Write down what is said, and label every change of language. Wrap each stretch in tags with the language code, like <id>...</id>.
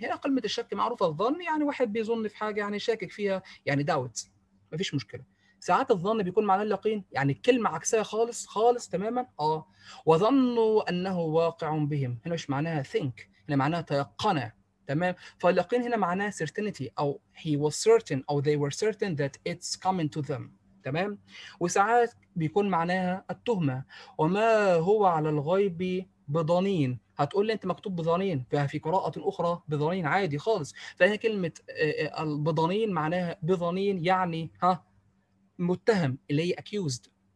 <ar>هنا كلمة الشك معروفة، الظن يعني واحد بيظن في حاجة يعني شاكك فيها يعني داوت، ما فيش مشكلة. ساعات الظن بيكون معناه اليقين، يعني الكلمة عكسها خالص خالص تماما. وظنوا أنه واقع بهم، هنا مش معناها think، هنا معناها تيقنة تمام. فاليقين هنا معناه</ar> <en>certainty أو he was certain أو they were certain that it's coming to them تمام.</en> <ar>وساعات بيكون معناها التهمة، وما هو على الغيب بضنين. هتقول لي أنت مكتوب بضنين، ففي قراءة أخرى بضنين عادي خالص، فهنا كلمة بضنين معناها بضنين يعني ها متهم اللي هي accused.</ar>